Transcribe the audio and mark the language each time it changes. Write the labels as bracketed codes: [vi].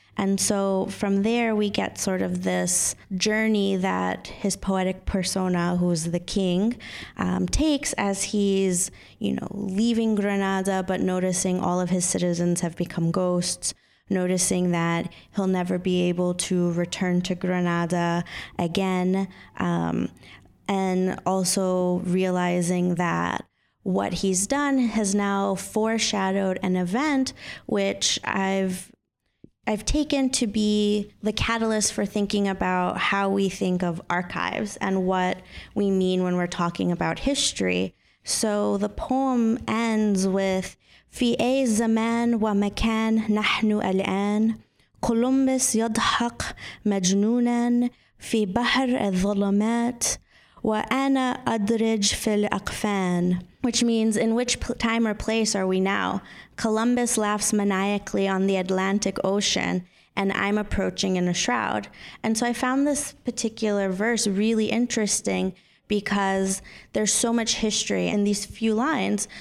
[en] And so from there, we get sort of this journey that his poetic persona, who's the king, takes as he's, you know, leaving Granada, but noticing all of his citizens have become ghosts, noticing that he'll never be able to return to Granada again, and also realizing that what he's done has now foreshadowed an event which I've taken to be the catalyst for thinking about how we think of archives and what we mean when we're talking about history. So the poem ends with [ar] في أي زمان ومكان نحن الآن كولومبس يضحك مجنونا في بحر الظلمات وأنا أدرج في الأقفان. [en] Which means, in which time or place are we now? Columbus laughs maniacally on the Atlantic Ocean, and I'm approaching in a shroud. And so I found this particular verse really interesting because there's so much history in these few lines.